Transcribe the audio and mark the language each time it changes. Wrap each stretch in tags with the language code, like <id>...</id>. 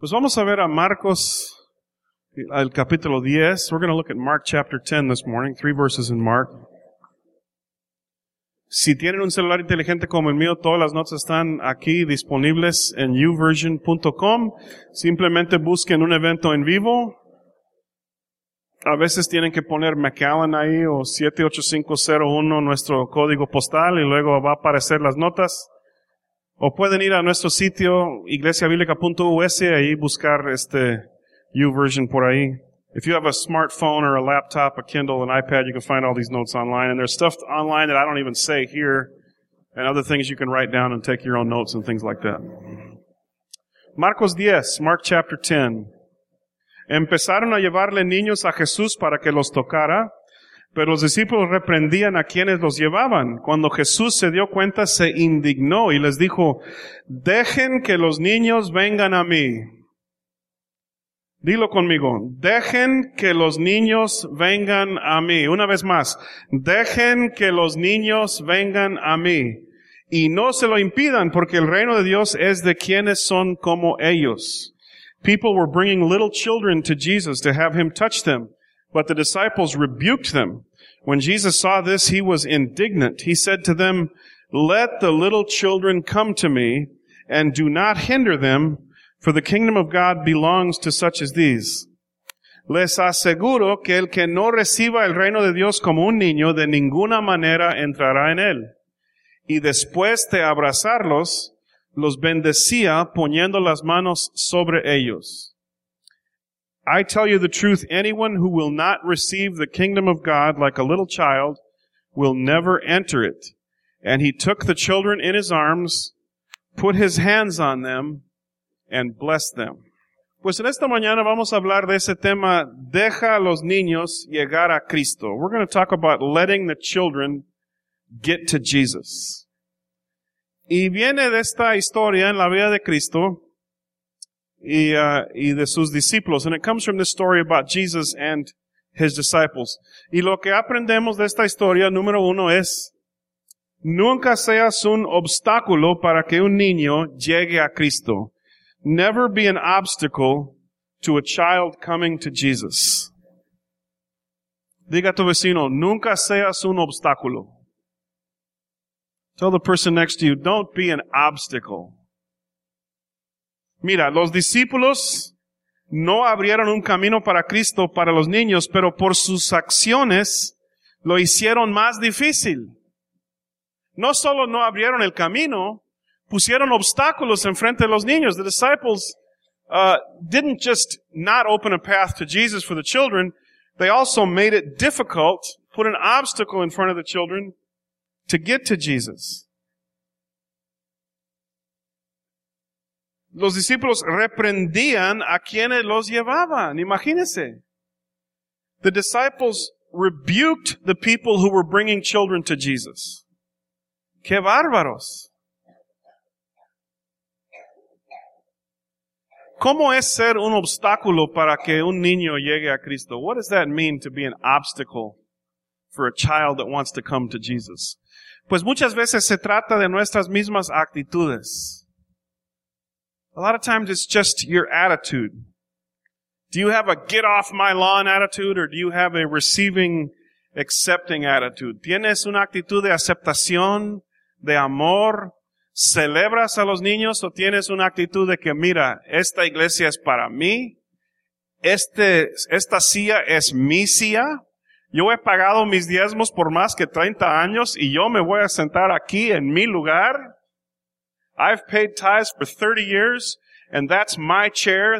<es>Pues vamos a ver a Marcos, al capítulo 10.</es> <en>We're going to look at Mark chapter 10 this morning, 3 verses in Mark.</en> <es>Si tienen un celular inteligente como el mío, todas las notas están aquí disponibles en youversion.com. Simplemente busquen un evento en vivo. A veces tienen que poner McAllen ahí o 78501, nuestro código postal, y luego va a aparecer las notas. O pueden ir a nuestro sitio, iglesiabiblica.us, ahí buscar este YouVersion por ahí.</es> <en>If you have a smartphone or a laptop, a Kindle, an iPad, you can find all these notes online. And there's stuff online that I don't even say here, and other things you can write down and take your own notes and things like that. Marcos 10, Mark chapter 10.</en> <es>Empezaron a llevarle niños a Jesús para que los tocara, pero los discípulos reprendían a quienes los llevaban. Cuando Jesús se dio cuenta, se indignó y les dijo, dejen que los niños vengan a mí. Dilo conmigo, dejen que los niños vengan a mí. Una vez más, dejen que los niños vengan a mí. Y no se lo impidan, porque el reino de Dios es de quienes son como ellos.</es> <en>People were bringing little children to Jesus to have him touch them, but the disciples rebuked them. When Jesus saw this, he was indignant. He said to them, let the little children come to me, and do not hinder them, for the kingdom of God belongs to such as these.</en> <es>Les aseguro que el que no reciba el reino de Dios como un niño, de ninguna manera entrará en él. Y después de abrazarlos, los bendecía poniendo las manos sobre ellos.</es> <en>I tell you the truth, anyone who will not receive the kingdom of God like a little child will never enter it. And he took the children in his arms, put his hands on them, and blessed them.</en> <es>Pues en esta mañana vamos a hablar de ese tema, deja a los niños llegar a Cristo.</es> <en>We're going to talk about letting the children get to Jesus.</en> <es>Y viene de esta historia en la vida de Cristo. Y de sus discípulos.</es> <en>And it comes from this story about Jesus and his disciples.</en> <es>Y lo que aprendemos de esta historia, número uno, es nunca seas un obstáculo para que un niño llegue a Cristo.</es> <en>Never be an obstacle to a child coming to Jesus.</en> <es>Diga a tu vecino, nunca seas un obstáculo.</es> <en>Tell the person next to you, don't be an obstacle.</en> <es>Mira, los discípulos no abrieron un camino para Cristo para los niños, pero por sus acciones lo hicieron más difícil. No solo no abrieron el camino, pusieron obstáculos enfrente de los niños.</es> <en>The disciples didn't just not open a path to Jesus for the children, they also made it difficult, put an obstacle in front of the children to get to Jesus.</en> <es>Los discípulos reprendían a quienes los llevaban. Imagínense.</es> <en>The disciples rebuked the people who were bringing children to Jesus.</en> <es>¡Qué bárbaros! ¿Cómo es ser un obstáculo para que un niño llegue a Cristo?</es> <en>What does that mean to be an obstacle for a child that wants to come to Jesus?</en> <es>Pues muchas veces se trata de nuestras mismas actitudes.</es> <en>A lot of times it's just your attitude. Do you have a get off my lawn attitude or do you have a receiving, accepting attitude?</en> <es>¿Tienes una actitud de aceptación, de amor? ¿Celebras a los niños o tienes una actitud de que mira, esta iglesia es para mí? Esta silla es mi silla. Yo he pagado mis diezmos por más que 30 años y yo me voy a sentar aquí en mi lugar.</es> <en>I've paid tithes for 30 years, and that's my chair.</en>